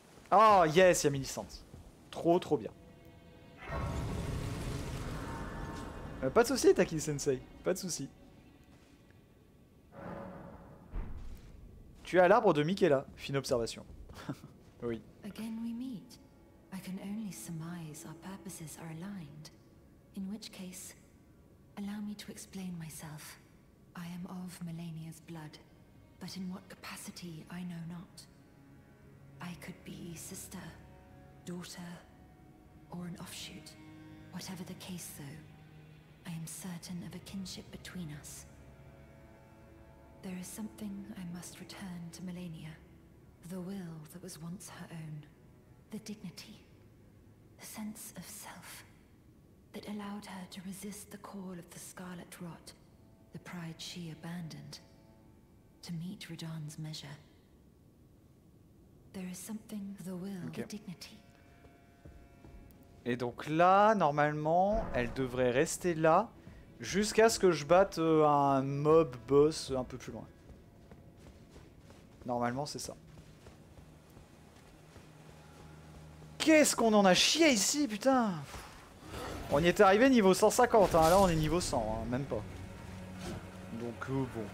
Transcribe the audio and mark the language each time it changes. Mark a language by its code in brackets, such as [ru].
[fr] Oh yes, y'a Millicent. Trop, trop bien. Pas de soucis, Taki Sensei. Pas de soucis. Tu es à l'arbre de Michaela, [en] fine observation. Oui. Again we meet. I can only surmise our purposes are aligned. In which case, allow me to explain myself. I am of Melania's blood, but in what capacity I know not. I could be sister, daughter, or an offshoot. Whatever the case though, I am certain of a kinship between us. There is something I must return to Melania. The will that was once her own. The dignity. The sense of self. That allowed her to resist the call of the Scarlet Rot. The pride she abandoned. To meet Radahn's measure. There is something, the will, okay. The dignity. [fr] Et donc là, normalement, elle devrait rester là. Jusqu'à ce que je batte un mob boss un peu plus loin. Normalement, c'est ça. Qu'est-ce qu'on en a chié ici, putain! On y est arrivé niveau 150, hein. Là on est niveau 100, hein. Même pas. Donc bon.